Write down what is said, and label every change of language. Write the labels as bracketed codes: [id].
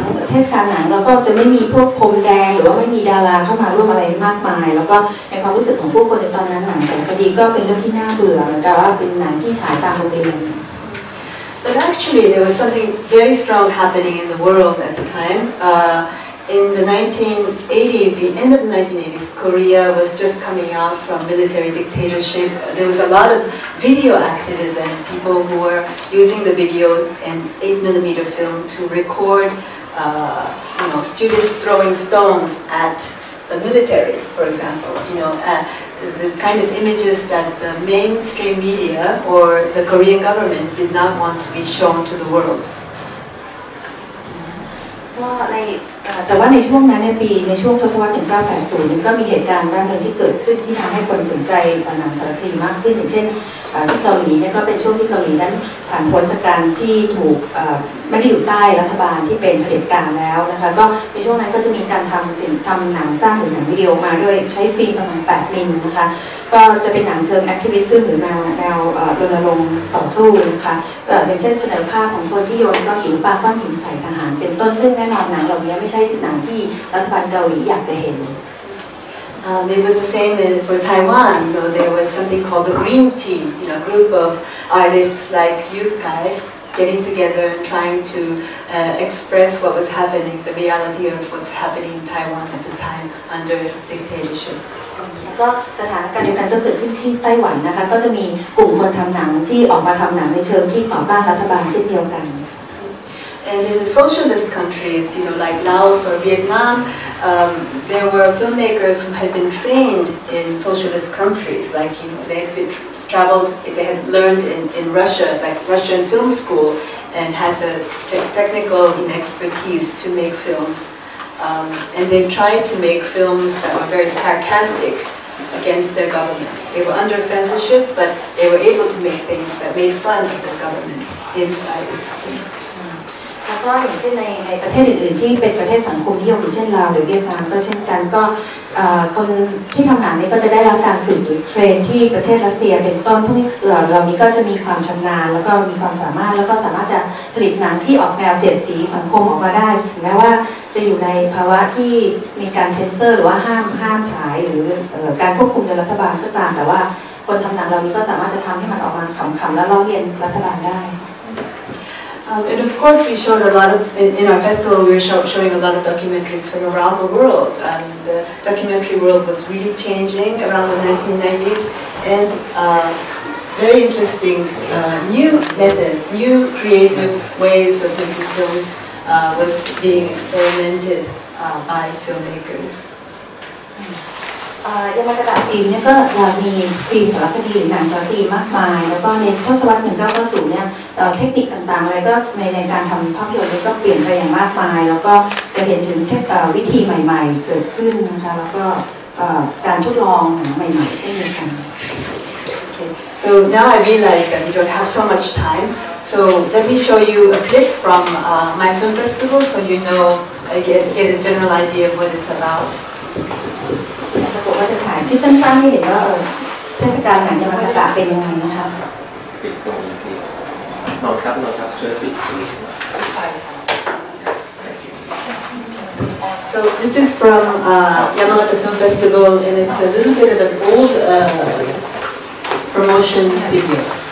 [th] เทศกาลหนังเราก็จะไม่มีพวกพรมแดงหรือว่าไม่มีดาราเข้ามาร่วมอะไรมากมายแล้วก็ในความรู้สึกของผู้คนในตอนนั้นหนังแสนคดีก็เป็นเรื่องที่น่าเบื่อเหมือนกับว่าเป็นหนังที่ฉายตามโรงเรียน [en] But actually there was something very strong happening in the world at the time. In the 1980s, the end of the 1980s, Korea was just coming out from military dictatorship. There was a lot of video activism, people who were using the video and 8mm film to record, you know, students throwing stones at the military, for example. You know, the kind of images that the mainstream media or the Korean government did not want to be shown to the world. [th] ก็ในแต่ว่าในช่วงนั้นในปีในช่วงทศวรรษ1980ก็มีเหตุการณ์บ้างเลยที่เกิดขึ้นที่ทำให้คนสนใจหนังสารคดีมากขึ้นอย่างเช่นที่เกาหลีเนี่ยก็เป็นช่วงที่เกาหลีนั้นผ่านพ้นจากการที่ถูก ไม่ได้อยู่ใต้รัฐบาลที่เป็นเผด็จการแล้วนะคะก็ในช่วงนั้นก็จะมีการทำหนังสร้างหรือหนังวิดีโอมาด้วยใช้ฟิล์มประมาณ8 มิลนะคะก็จะเป็นหนังเชิงแอคทิวิสต์ซึ่งหรือแนวรณรงค์ต่อสู้นะคะก็อย่างเช่นเสนอภาพของคนที่โยนก้อนหินปาก้อนหินใส่ทหารเป็นต้นซึ่งแน่นอนหนังเหล่านี้ไม่ใช่หนังที่รัฐบาลเกาหลีอยากจะเห็น [en] It was the same for Taiwan. You know, there was something called the Green Team, you know, a group of artists like you guys getting together and trying to express what was happening, the reality of what's happening in Taiwan at the time under dictatorship. [th] ก็สถานการณ์เดียวกันก็เกิดขึ้นที่ไต้หวันนะคะก็จะมีกลุ่มคนทำหนังที่ออกมาทำหนังในเชิงที่ต่อต้านรัฐบาลเช่นเดียวกัน [en] And in the socialist countries, you know, like Laos or Vietnam, there were filmmakers who had been trained in socialist countries. Like, you know, they had been traveled, they had learned in Russia, like Russian film school, and had the technical expertise to make films. And they tried to make films that were very sarcastic against their government. They were under censorship, but they were able to make things that made fun of the government inside the city. [th] แล้วก็อย่างเช่นในประเทศอื่นๆที่เป็นประเทศสังคมนิยมอย่างเช่นลาวหรือเวียดนามก็เช่นกันก็คนที่ทำหนังนี่ก็จะได้รับการฝึกหรือเทรนที่ประเทศรัสเซียเป็นต้นพวกนี้เหล่านี้ก็จะมีความชำนาญแล้วก็มีความสามารถแล้วก็สามารถจะผลิตหนังที่ออกแนวเสียดสีสังคมออกมาได้ถึงแม้ว่าจะอยู่ในภาวะที่มีการเซ็นเซอร์หรือว่าห้ามฉายหรือการควบคุมโดยรัฐบาลก็ตามแต่ว่าคนทำหนังเหล่านี้ก็สามารถจะทำให้มันออกมาขำๆและล้อเลียนรัฐบาลได้ [en] And of course, we showed a lot of in our festival. We were showing a lot of documentaries from around the world, and the documentary world was really changing around the 1990s. And very interesting new method, new creative ways of making films was being experimented by filmmakers. [th] ยังมากระดาษฟิล์มเนี่ยก็มีฟิล์มสารคดีหรือหนังสารคดีมากมายแล้วก็ในทศวรรษ1990เนี่ยเทคนิคต่างๆอะไรก็ในการทำภาพยนตร์ก็เปลี่ยนไปอย่างมากมายแล้วก็จะเห็นถึงเทคนิควิธีใหม่ๆเกิดขึ้นนะคะแล้วก็การทดลองหนังใหม่ๆเช่นเดียวกัน [en] So now I realize that we don't have so much time so let me show you a clip from my film festival so you know get a general idea of what it's about [th] ก็จะฉายที่สั้นๆให้เห็นว่าเทศกาลหนังจะมาประกาศเป็นยังไงนะคะ ปิดตรงนี้พี่นอนครับนอนครับช่วยปิดตรงนี้ [en] So this is from Yamagata Film Festival and it's a little bit of an old promotion video